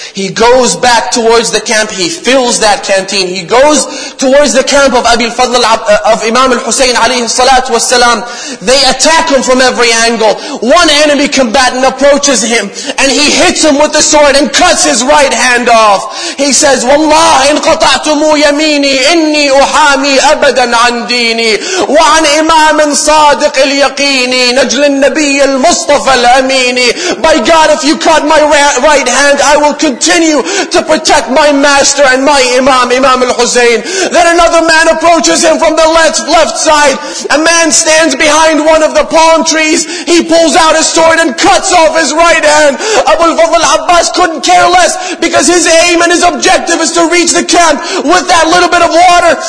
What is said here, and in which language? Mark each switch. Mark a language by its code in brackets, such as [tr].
[en] He goes back towards the camp. He fills that canteen. He goes towards the camp of Abi al-Fadl of Imam al-Husayn alayhi salatu wasalam. They attack him from every angle. One enemy combatant approaches him and he hits him with the sword and cuts his right hand off. He says, [ar] "Wallah, in qata'tumu yamini, inni uhami abadan عن ديني وعن إمام صادق اليقيني نجل النبي المصطفى الأميني." [en] By God, if you cut my right hand, I will continue to protect my master and my Imam, Imam al-Husayn. Then another man approaches him from the left side. A man stands behind one of the palm trees. He pulls out his sword and cuts off his right hand. Abu al-Fadl Abbas couldn't care less because his aim and his objective is to reach the camp with that little bit of water.